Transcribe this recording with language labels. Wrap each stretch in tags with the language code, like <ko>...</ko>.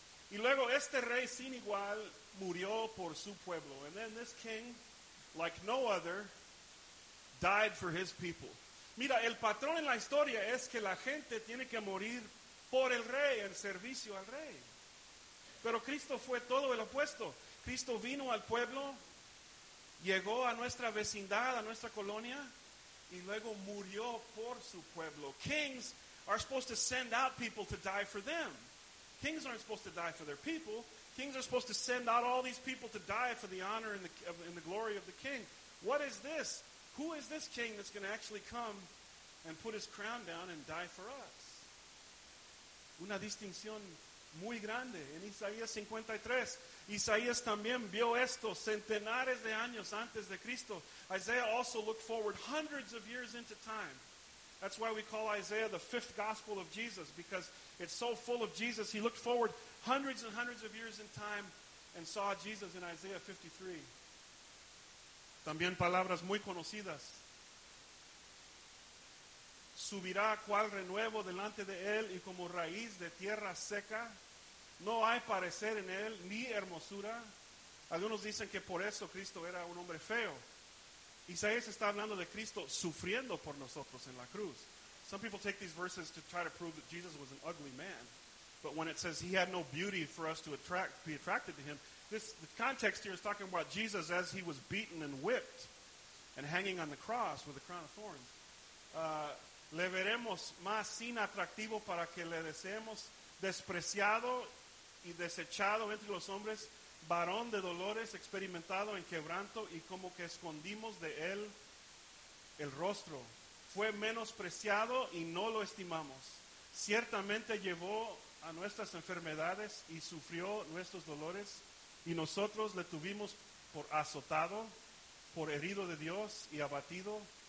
<es>Y luego este rey sin igual murió por su pueblo.</es> <en>And then this king, like no other, died for his people.</en> <es>Mira, el patrón en la historia es que la gente tiene que morir por el rey, en servicio al rey. Pero Cristo fue todo el opuesto. Cristo vino al pueblo, llegó a nuestra vecindad, a nuestra colonia, y luego murió por su pueblo.</es> <en>Kings are supposed to send out people to die for them. Kings aren't supposed to die for their people. Kings are supposed to send out all these people to die for the honor and the glory of the king. What is this? Who is this king that's going to actually come and put his crown down and die for us?</en> <es>Una distinción muy grande en Isaías 53. Isaías también vio esto centenares de años antes de Cristo.</es> <en>Isaiah also looked forward hundreds of years into time. That's why we call Isaiah the fifth gospel of Jesus, because it's so full of Jesus. He looked forward hundreds and hundreds of years in time and saw Jesus in Isaiah 53.</en> <es>También palabras muy conocidas. Subirá cual renuevo delante de él y como raíz de tierra seca. No hay parecer en él ni hermosura. Algunos dicen que por eso Cristo era un hombre feo. Isaías está hablando de Cristo sufriendo por nosotros en la cruz.</es> <en>Some people take these verses to try to prove that Jesus was an ugly man. But when it says he had no beauty for us to be attracted to him, the context here is talking about Jesus as he was beaten and whipped and hanging on the cross with a crown of thorns.</en> <es>Le veremos más sin atractivo para que le deseemos despreciado y desechado entre los hombres. Varón de dolores, experimentado en quebranto, y como que escondimos de él el rostro. Fue menospreciado y no lo estimamos. Ciertamente llevó a nuestras enfermedades y sufrió nuestros dolores, y nosotros le tuvimos por azotado, por herido de Dios y abatido.</es>